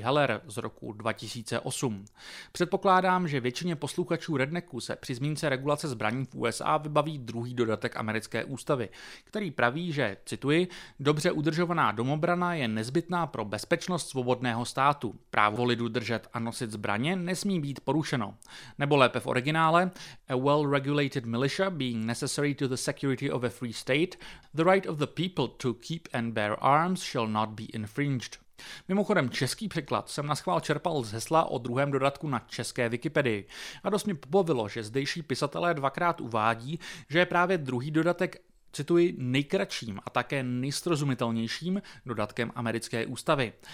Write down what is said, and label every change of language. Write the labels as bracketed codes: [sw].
[cs] Heller z roku 2008. Předpokládám, že většině posluchačů Rednecku se při zmínce regulace zbraní v USA vybaví druhý dodatek americké ústavy, který praví, že, cituji, dobře udržovaná domobrana je nezbytná pro bezpečnost svobodného státu. Právo lidu držet a nosit zbraně nesmí být porušeno. Nebo lépe v originále, [en] a well-regulated militia being necessary to the security of a free state, the right of the people to keep and bear arms shall not be infringed. [cs] Mimochodem český překlad jsem naschvál čerpal z hesla o druhém dodatku na české Wikipedii a dost mě pobavilo, že zdejší pisatelé dvakrát uvádí, že je právě druhý dodatek, cituji, nejkratším a také nejstrozumitelnějším dodatkem americké ústavy.